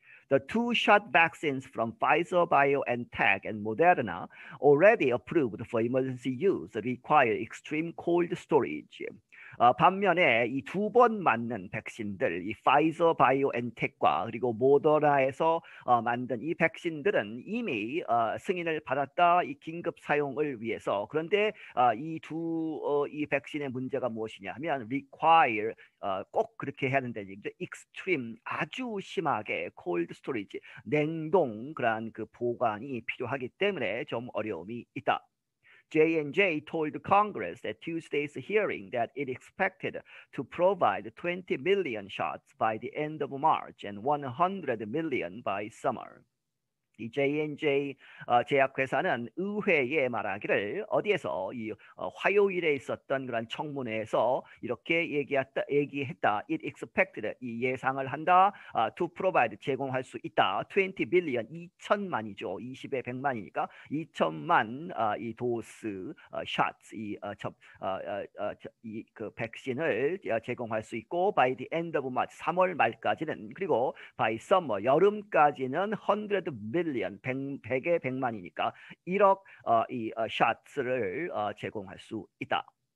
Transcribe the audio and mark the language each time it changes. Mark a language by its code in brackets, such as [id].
[en] The two-shot vaccines from Pfizer, BioNTech, and Moderna, already approved for emergency use, require extreme cold storage. [ko] 반면에 이두번 맞는 백신들, 이 파이저 바이오엔텍과 그리고 모더나에서 만든 이 백신들은 이미 승인을 받았다. 이 긴급 사용을 위해서. 그런데 이두이 백신의 문제가 무엇이냐 하면 require 꼭 그렇게 해야 된다는 얘기죠. extreme 아주 심하게 [en] cold storage [ko] 냉동 그러한 그 보관이 필요하기 때문에 좀 어려움이 있다. [en] J&J told Congress at Tuesday's hearing that it expected to provide 20 million shots by the end of March and 100 million by summer. [ko] 이 J&J 제약회사는 의회에 말하기를 어디에서 이 화요일에 있었던 그런 청문회에서 이렇게 얘기했다. [en] It expected [ko] 이 예상을 한다. [en] To provide [ko] 제공할 수 있다. [en] 20 billion [ko] 2천만이죠. 20에 100만이니까 2천만 이 도스 shots 이접이그 백신을 제공할 수 있고 [en] by the end of March [ko] 3월 말까지는 그리고 [en] by summer [ko] 여름까지는 [en] 100 billion [ko] 100에 100만이니까 1억 이 샷을 제공할 수 있다.